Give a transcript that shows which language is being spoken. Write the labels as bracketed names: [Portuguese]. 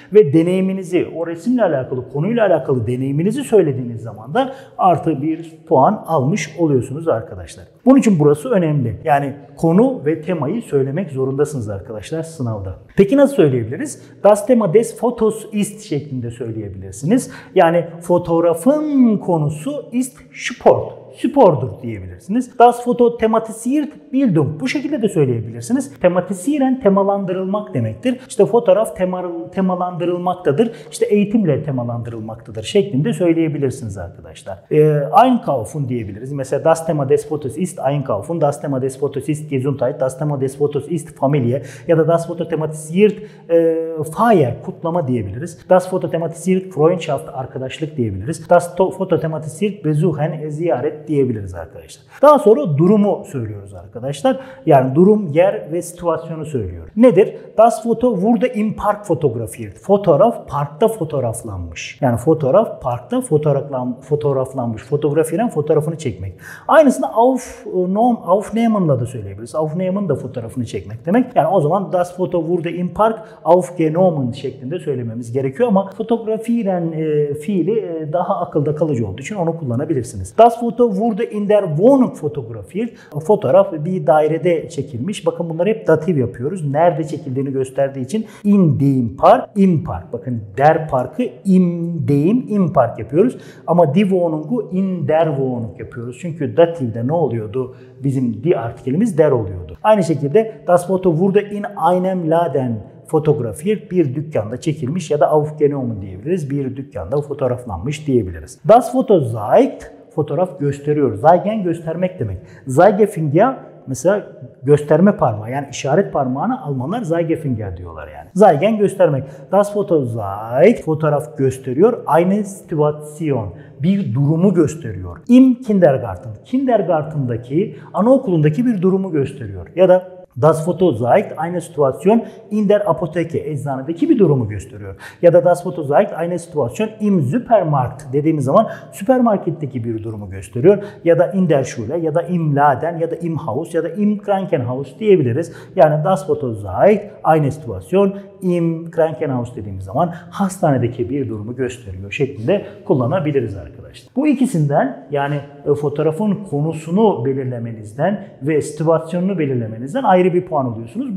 [Turkish] Ve deneyiminizi, o resimle alakalı, konuyla alakalı deneyiminizi söylediğiniz zaman da artı 1 puan almış oluyorsunuz arkadaşlar. Bunun için burası önemli. Yani konu ve temayı söylemek zorundasınız arkadaşlar sınavda. Peki nasıl söyleyebiliriz? [German] Das Thema des Fotos ist [Turkish] şeklinde söyleyebilirsiniz. Yani fotoğrafın konusu [German] ist Sport. [Turkish] Spordur diyebilirsiniz. [German] Das Foto thematisiert Bildung. [Turkish] Bu şekilde de söyleyebilirsiniz. Thematisieren, temalandırılmak demektir. İşte fotoğraf temalandırılmaktadır. İşte eğitimle temalandırılmaktadır şeklinde söyleyebilirsiniz arkadaşlar. Einkaufen diyebiliriz. Mesela [German] Das Thema des Fotos ist Einkaufen. Das Thema des Fotos ist Gesundheit. Das Thema des Fotos ist Familie. Ja, das Foto thematisiert Feier, [Turkish] kutlama diyebiliriz. [German] Das Foto thematisiert Freundschaft, [Turkish] arkadaşlık diyebiliriz. [German] Das Foto thematisiert Besuchen, ziyaret [Turkish] diyebiliriz arkadaşlar. Daha sonra durumu söylüyoruz arkadaşlar. Yani durum, yer ve situasyonu söylüyoruz. Nedir? [German] Das Foto wurde im Park fotografiert. [Turkish] Fotoğraf parkta fotoğraflanmış. Yani fotoğraf parkta fotoğraflanmış. Fotografiren fotoğrafını çekmek. Aynısını Aufnehmen'la da söyleyebiliriz. Aufnehmen da fotoğrafını çekmek demek. Yani o zaman [German] Das Foto wurde im Park aufgenommen [Turkish] şeklinde söylememiz gerekiyor ama fotografiren fiili daha akılda kalıcı olduğu için onu kullanabilirsiniz. [German] Das Foto wurde in der Wohnung fotografiert. [Turkish] Fotoğraf bir dairede çekilmiş. Bakın bunları hep dativ yapıyoruz. Nerede çekildiğini gösterdiği için in dem Park, im Park. Bakın der Park'ı in dem, im Park yapıyoruz. Ama die Wohnung'u in der Wohnung yapıyoruz. Çünkü dativde ne oluyordu? Bizim die artikelimiz der oluyordu. Aynı şekilde [German] Das Foto wurde in einem Laden fotografiert, [Turkish] bir dükkanda çekilmiş ya da aufgenommen diyebiliriz. Bir dükkanda fotoğraflanmış diyebiliriz. Das Foto zeigt, fotoğraf gösteriyor. Zeigen göstermek demek. Zeigefinger mesela gösterme parmağı, yani işaret parmağını Almanlar Zeigefinger diyorlar yani. Zeigen göstermek. [German] Das Foto zeigt, [Turkish] fotoğraf gösteriyor. [German] Eine Situation, [Turkish] bir durumu gösteriyor. Im Kindergarten, Kindergarten'daki, anaokulundaki bir durumu gösteriyor. Ya da [German] Das Foto zeigt eine Situation in der Apotheke, [Turkish] eczanedeki bir durumu gösteriyor. Ja da [German] Das Foto zeigt eine Situation im Supermarkt [Turkish] dediğimiz zaman süpermarketteki bir durumu gösteriyor. Ya da [German] in der Schule, [Turkish] ya da [German] im Laden, [Turkish] ya da [German] im Haus, [Turkish] ya da [German] im Krankenhaus [Turkish] diyebiliriz. Yani [German] Das Foto zeigt eine Situation im Krankenhaus [Turkish] dediğimiz zaman hastanedeki bir durumu gösteriyor şeklinde kullanabiliriz arkadaşlar. Bu ikisinden, yani fotoğrafın konusunu belirlemenizden ve situasyonunu belirlemenizden ayrı bir puan alıyorsunuz.